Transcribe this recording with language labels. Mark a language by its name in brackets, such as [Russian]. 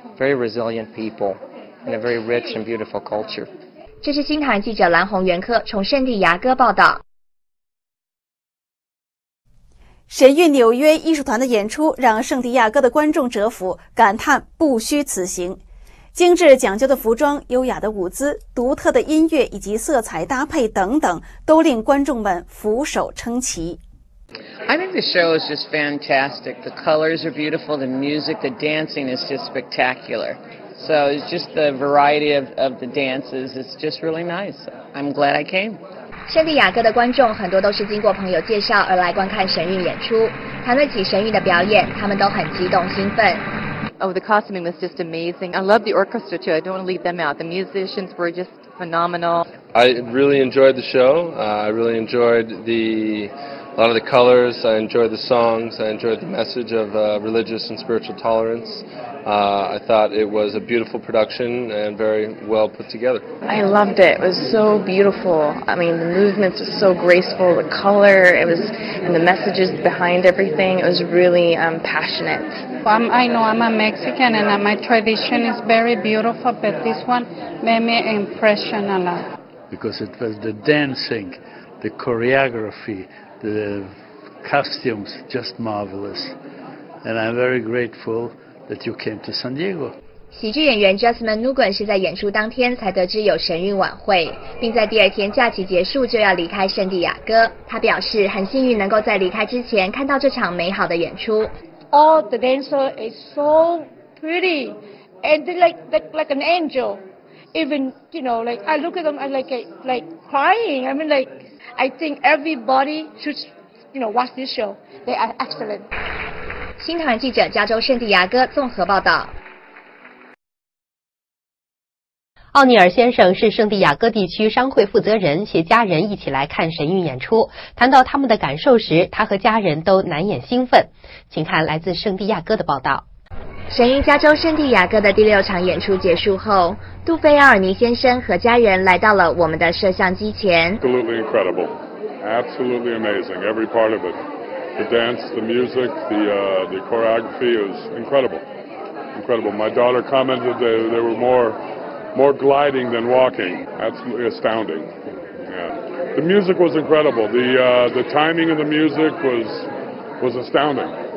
[English] Very resilient people and a very rich and beautiful culture. [Chinese] 这是新唐记者蓝红袁科从圣地牙哥报道。神韵纽约艺术团的演出让圣地亚哥的观众折服，感叹不虚此行。精致讲究的服装、优雅的舞姿、独特的音乐以及色彩搭配等等，都令观众们俯首称奇。 [English] I think the show is just fantastic. The colors are beautiful, the music, the dancing is just spectacular. So it's just the variety of the dances, it's just really nice. I'm glad I came. [Chinese] 圣地亚哥的观众很多都是经过朋友介绍而来观看神韵演出，谈论起神韵的表演，他们都很激动兴奋。 [English] Oh, the costuming was just amazing. I love the orchestra too, I don't want to leave them out. The musicians were just phenomenal. I really enjoyed the show. I really enjoyed theA lot of the colors, I enjoyed the songs, I enjoyed the message of religious and spiritual tolerance. I thought it was a beautiful production and very well put together. I loved it. It was so beautiful. I mean, the movements were so graceful, the color, it was, and the messages behind everything, it was really passionate. I know I'm a Mexican and my tradition is very beautiful, but this one made me impression a lot. Because it was the dancing, the choreography,The costumes, just marvelous. And I'm very grateful that you came to San Diego. [Chinese] 喜剧演员 Jasmine Nugent 是在演出当天才得知有神韵晚会，并在第二天假期结束就要离开圣地亚哥。他表示很幸运能够在离开之前看到这场美好的演出。 [English] Oh, the dancer is so pretty and like an angel. Even, you know, like I look at them, I'm like crying. I mean, like,I think everybody should, you know, watch this show. They are excellent. [Chinese] 新唐记者加州圣地亚哥综合报道。奥尼尔先生是圣地亚哥地区商会负责人，携家人一起来看神韵演出。谈到他们的感受时，他和家人都难掩兴奋。请看来自圣地亚哥的报道。神韵加州圣地亚哥的第六场演出结束后，杜菲奥尔尼先生和家人来到了我们的摄像机前。 [English] Absolutely incredible. Absolutely amazing. Every part of it. The dance, the music, the choreography is incredible. Incredible. My daughter commented that there were more gliding than walking. Absolutely astounding. Yeah. The music was incredible. The timing of the music was astounding.